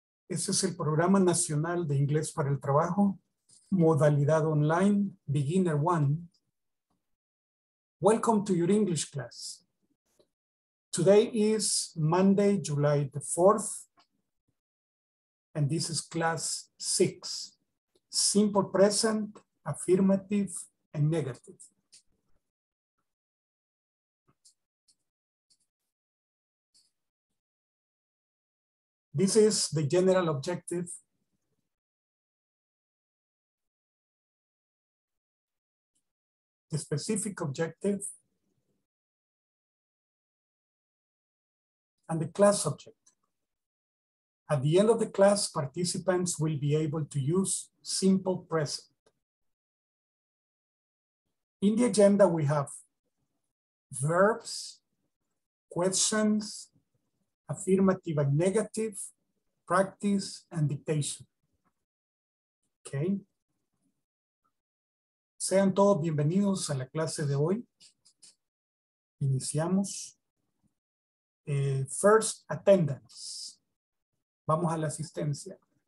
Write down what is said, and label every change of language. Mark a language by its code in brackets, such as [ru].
[es] Este es el Programa Nacional de Inglés para el Trabajo, Modalidad Online, Beginner One. [en] Welcome to your English class. Today is Monday, July the 4th, and this is class 6. Simple present, affirmative, and negative. This is the general objective. The specific objective. And the class objective. At the end of the class, participants will be able to use simple present. In the agenda, we have verbs, questions, affirmative and negative, practice and dictation. Okay. [es] Sean todos bienvenidos a la clase de hoy. Iniciamos. [en] First, attendance. [es] Vamos a la asistencia.